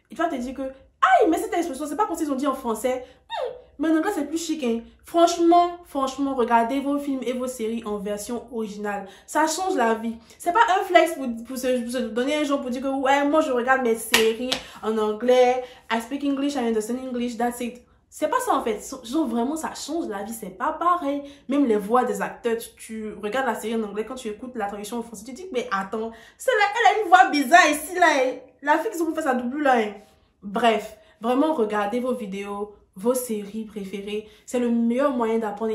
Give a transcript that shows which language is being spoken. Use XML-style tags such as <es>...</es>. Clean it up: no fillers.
<fr>Et tu vas te dire que, aïe, mais cette expression, c'est pas comme s'ils ont dit en français, mais en anglais, c'est plus chic, hein. Franchement, regardez vos films et vos séries en version originale. Ça change la vie. C'est pas un flex pour se donner un jour pour dire que, ouais, moi, je regarde mes séries en anglais.</fr> <en>I speak English, I understand English, that's it.</en> <fr>C'est pas ça en fait, genre vraiment ça change la vie, c'est pas pareil. Même les voix des acteurs, tu regardes la série en anglais, quand tu écoutes la traduction en français, tu te dis, mais attends, celle-là, elle a une voix bizarre ici là, la fille qui s'est fait sa double là. Hein. Bref, vraiment regardez vos vidéos, vos séries préférées, c'est le meilleur moyen d'apprendre.</fr>